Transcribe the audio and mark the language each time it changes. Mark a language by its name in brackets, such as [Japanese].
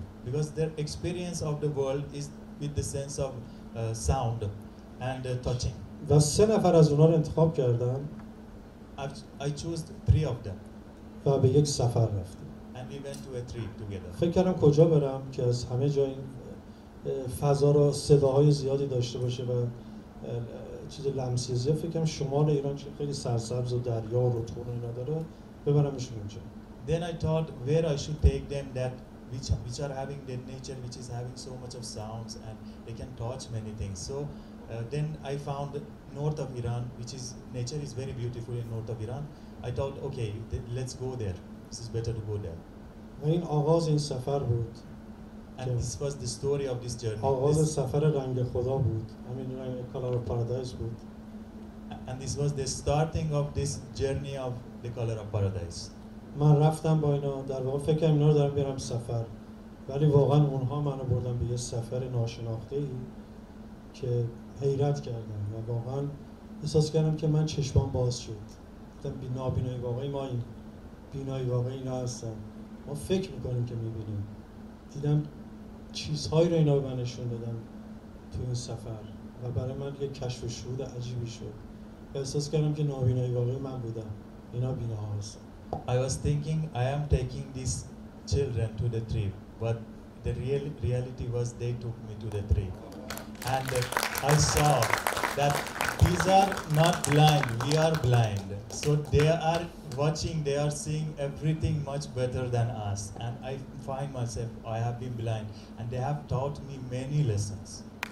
[English] Because their experience of the world is with the sense of sound and touching. [Persian] و سه نفر از اونا رو انتخاب کردم. [English] I chose three of them. [Persian] و به یک سفر رفتم. [English] And we went to a trip together. [Persian] فکر کردم کجا برم که از همه جای فضا رو صداهای زیادی داشته باشه و چیز لمسی زیاد. فکر کردم شمال ایران چه خیلی سرسبز و دریا و رطوبت اینا داره، ببرمشون اونجا. [English] Then I thought where I should take them that which are having the nature which is having so much of sounds and they can touch many things. So then I found north of Iran which is nature is very beautiful in north of Iran. I thought okay let's go there. This is better to go there. [Persian] و این آغاز این سفر بود. [English] And this was the story of this journey. [Persian] آغاز سفر رنگ خدا بود. همین رنگ color of paradise بود. [English] And this was the starting of this journey of the color of paradise. [Persian] من رفتم با اینا، در واقع فکر کنم اینا رو دارم میارم سفر، ولی واقعا اونها منو بردن به یه سفر ناشناخته ای که حیرت کردم و واقعا احساس کردم که من چشمام باز شد. گفتم نابینای واقعی ما این، بینای واقعی اینا هستن، ما فکر میکنیم که میبینیم. دیدم چیزهایی رو اینا به من نشون دادن تو این سفر و برای من یه کشف و شهود عجیبی شد. احساس کردم که نابینای واقعی من بودم، اینا بیناها هستن. [English] I was thinking I am taking these children to the trip, but the real reality was they took me to the trip, and I saw that these are not blind, we are blind, so they are watching, they are seeing everything much better than us, and I find myself I have been blind and they have taught me many lessons.